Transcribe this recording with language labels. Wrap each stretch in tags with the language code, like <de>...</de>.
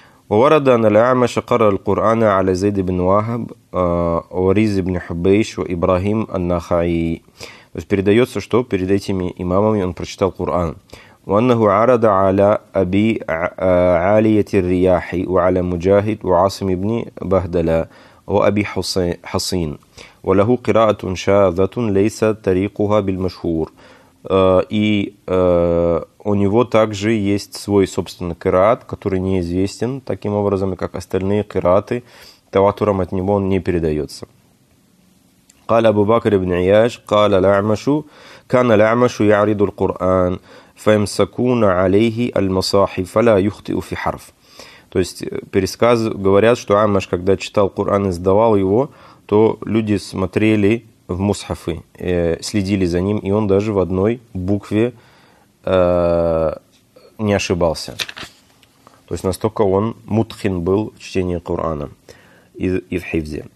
<ar>وورد أن الأعمش قرأ القرآن على زيد بن واهب وريز بن حبيش وإبراهيم النخعي.</ar> <ru>То есть передается, что перед этими имамами он прочитал Коран.</ru> <ar>وأنه عرض على أبي عالية الرياح وعلى مجاهد وعاصم بن بهدلة وأبي حصين وله قراءة شاذة ليس طريقها بالمشهور.</ar> <ru>И у него также есть свой собственный кираат, который неизвестен таким образом, как остальные кираты, таватурам от него он не передается.</ru> <ar>قال أبو بكر بن عياش قال الأعمش كان الأعمش يعرض القرآن فيمسكون عليه المصاحف فلا يخطئ في حرف.</ar> <ru>То есть пересказ говорят, что Амаш, когда читал Коран и сдавал его, то люди смотрели в мусхафы, следили за ним, и он даже в одной букве не ошибался. То есть настолько он мутхин был в чтении Корана и в хивзе.</ru>